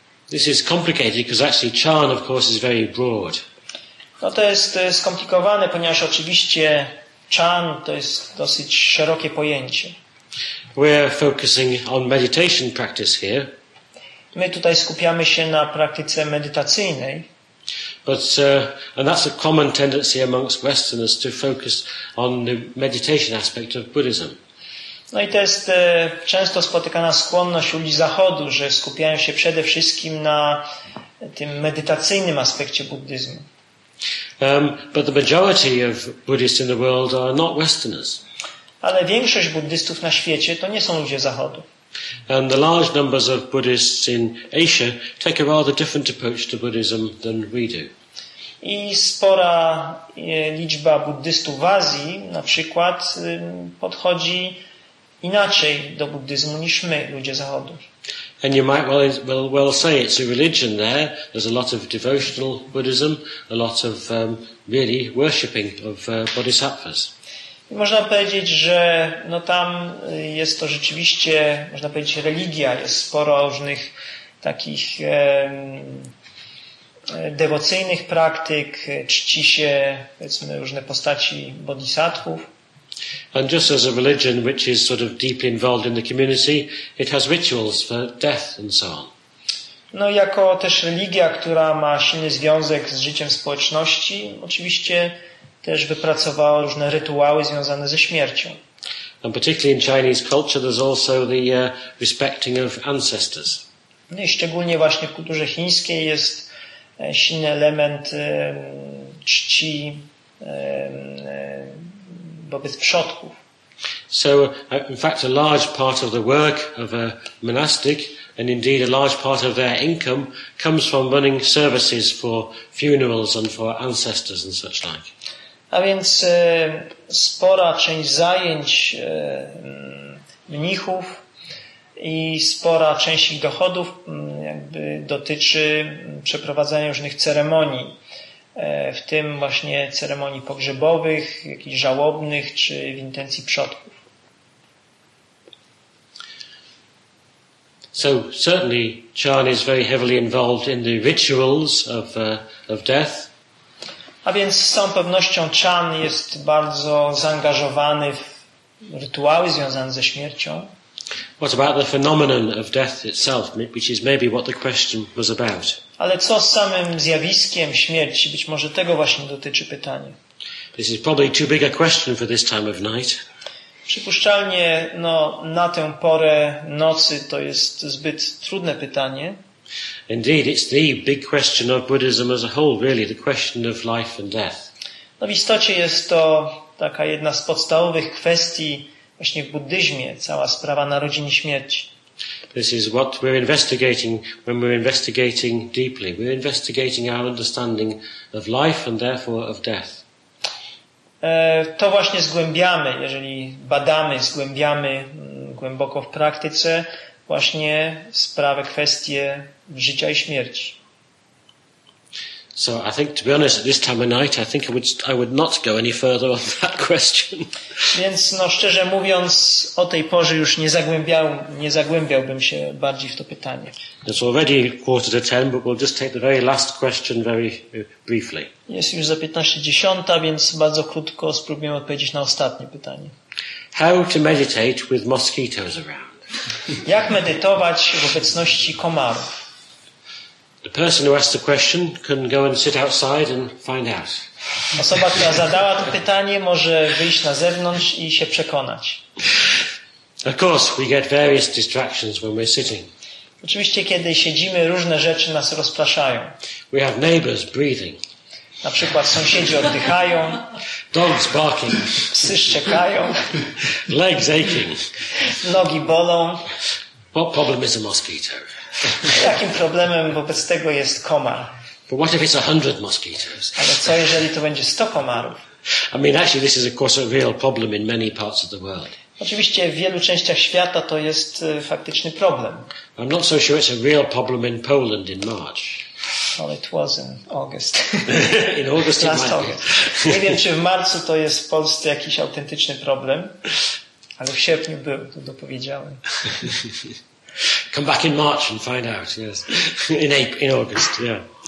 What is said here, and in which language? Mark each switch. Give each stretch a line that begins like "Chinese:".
English: This is complicated because actually Chan of course is very broad.
Polish: No to jest skomplikowane, ponieważ oczywiście Chan to jest dosyć szerokie pojęcie.
English: We're focusing on meditation practice here.
Polish: My tutaj skupiamy się na praktyce medytacyjnej.
English: But and that's a common tendency amongst Westerners to focus on the meditation aspect of Buddhism.
Polish: No i to jest często spotykana skłonność u ludzi Zachodu, że skupiają się przede wszystkim na tym medytacyjnym aspekcie buddyzmu.
English: But the majority of Buddhists in the world are not Westerners.
Polish: Ale większość buddystów na świecie to nie są ludzie Zachodu.
English: And the large numbers of Buddhists in Asia take a rather different approach to Buddhism than we do.
Polish: I spora liczba buddystów w Azji na przykład podchodzi inaczej do buddyzmu niż my, ludzie Zachodu.
English: And you might well say it's a religion there. There's a lot of devotional Buddhism, a lot of really worshipping of bodhisattvas.
Polish: Można powiedzieć, że no tam jest to rzeczywiście, można powiedzieć, religia. Jest sporo różnych takich dewocyjnych praktyk, czci się, powiedzmy, różne postaci bodhisattwów.
English: And just as a religion which is sort of deeply involved in the community, it has rituals for death and so on.
Polish: No jako też religia, która ma silny związek z życiem społeczności, oczywiście też wypracowała różne rytuały związane ze śmiercią.
English: And particularly in Chinese culture there's also the respecting of ancestors.
Polish: No i szczególnie właśnie w kulturze chińskiej jest silny element czci wobec przodków.
English: So in fact a large part of the work of a monastic and indeed a large part of their income comes from running services for funerals and for ancestors and such like.
Polish: A więc spora część zajęć mnichów i spora część ich dochodów jakby dotyczy przeprowadzania różnych ceremonii, w tym właśnie ceremonii pogrzebowych, jakichś żałobnych, czy w intencji przodków.
English: So certainly Chan is very heavily involved in the rituals of death.
Polish: A więc z całą pewnością Chan jest bardzo zaangażowany w rytuały związane ze śmiercią.
English: What about the phenomenon of death itself, which is maybe what the question was about?
Polish: Ale co z samym zjawiskiem śmierci? Być może tego właśnie dotyczy pytanie.
English: This is probably too big a question for this time of night.
Polish: Przypuszczalnie, no, na tę porę nocy to jest zbyt trudne pytanie.
English: Indeed, it's the big question of Buddhism as a whole, really, the question of life and death.
Polish: No, w istocie jest to taka jedna z podstawowych kwestii właśnie w buddyzmie, cała sprawa narodzin i śmierci.
English: This is what we're investigating when we're investigating deeply. We're investigating our understanding of life and therefore of death.
Polish: To właśnie zgłębiamy, jeżeli badamy, zgłębiamy głęboko w praktyce właśnie sprawę, kwestie życia i śmierci.
English: So I think, to be honest, at this time of night, I think I would not go any further on that question.
Polish: Więc, no, szczerze mówiąc, o tej porze już nie zagłębiałbym się bardziej w to pytanie.
English: It's already 9:15, but we'll just take the very last question very briefly.
Polish: Jest już za 9:50, więc bardzo krótko spróbujemy odpowiedzieć na ostatnie pytanie.
English: How to meditate with mosquitoes around?
Polish: Jak medytować w obecności komarów?
English: The person who asked the question can go and sit outside and find out.
Polish: Osoba, która zadała to pytanie, może wyjść na zewnątrz i się przekonać.
English: Of course, we get various distractions when we're sitting.
Polish: Oczywiście, kiedy siedzimy, różne rzeczy nas rozpraszają.
English: We have neighbors breathing.
Polish: Na przykład sąsiedzi oddychają.
English: Dogs barking.
Polish: Psy szczekają.
English: Legs aching.
Polish: Nogi bolą.
English: What problem is a mosquito?
Polish: Jakim problemem wobec tego jest komar?
English: But what if it's 100 mosquitoes?
Polish: Ale co jeżeli to będzie 100 komarów?
English: I mean, actually, this is of course a real problem in many parts of the world.
Polish: Oczywiście w wielu częściach świata to jest faktyczny problem.
English: I'm not so sure it's a real problem in Poland in March. Well, it was in August. In August, last August.
Polish: Nie wiem, czy w marcu to jest w Polsce jakiś autentyczny problem, ale w sierpniu był, to dopowiedziałem.
English: Come back in March and find out. Yes, in August. Yeah.